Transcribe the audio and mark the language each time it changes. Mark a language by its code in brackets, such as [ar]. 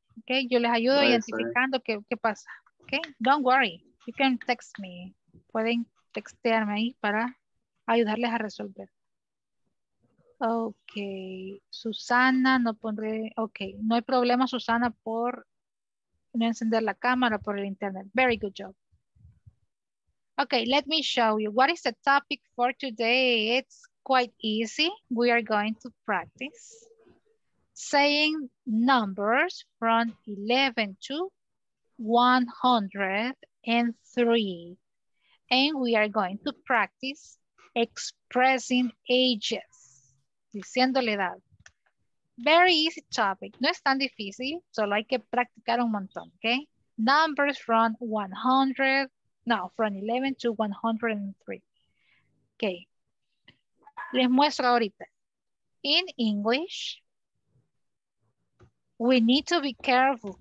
[en] Ok, [es] yo les ayudo [en] right, identificando right. [es] Qué pasa. [en] Ok, don't worry, you can text me. [es] Pueden textearme ahí para ayudarles a resolver. Ok, Susana, no pondré, ok, no hay problema, Susana, por no encender la cámara por el internet. [en] Very good job. Ok, let me show you what is the topic for today. It's quite easy. We are going to practice saying numbers from 11 to 103. And we are going to practice expressing ages. [es] Diciéndole edad. [en] Very easy topic. [es] No es tan difícil, solo hay que practicar un montón, ¿ok? [en] Numbers from 100, no, from 11 to 103. Ok. [es] Les muestro ahorita. [en] In English, we need to be careful.